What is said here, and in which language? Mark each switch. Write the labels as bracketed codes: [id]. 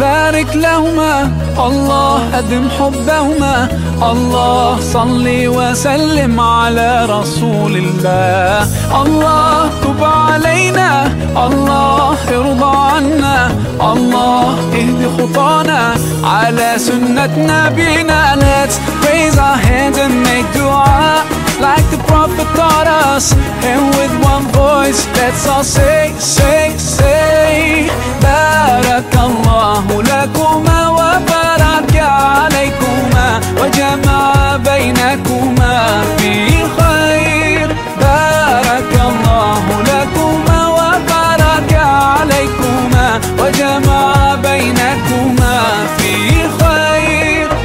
[ar] أدم حبهما الله صلي وسلم على رسول الله الله تب علينا الله ارضى عنا الله اهدي خطانا على سنة نبينا. [en] Let's raise our hands and make dua like the Prophet taught us. And with one voice, let's all say, say, say, بارك الله لكما وبارك عليكما وجمع بينكما في خير. [ar] بارك الله لكما وبارك عليكما وجمع بينكما في خير.